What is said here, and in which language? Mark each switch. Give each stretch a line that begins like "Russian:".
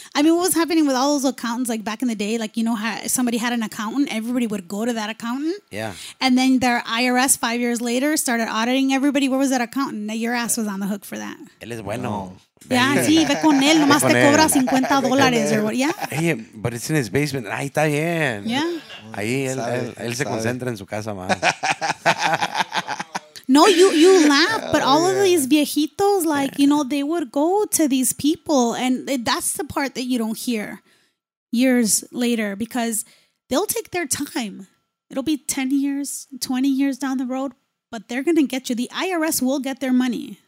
English: I mean, what was happening with all those accountants, like, back in the day, like, you know, how if somebody had an accountant, everybody would go to that accountant. Yeah. And then their IRS 5 years later started auditing everybody. Where was that accountant? Now your ass was on the hook for that.
Spanish: Él es bueno. Yeah, sí, ve con él. Nomás te cobra $50
English: or what? Yeah. Hey, but it's in his basement.
Spanish: Ahí está bien.
English: Yeah.
Spanish: Ahí él se concentra en su casa más.
English: No, you laugh, but all of these viejitos, like, you know, they would go to these people, and that's the part that you don't hear years later, because they'll take their time. It'll be 10 years, 20 years down the road, but they're going to get you. The IRS will get their money.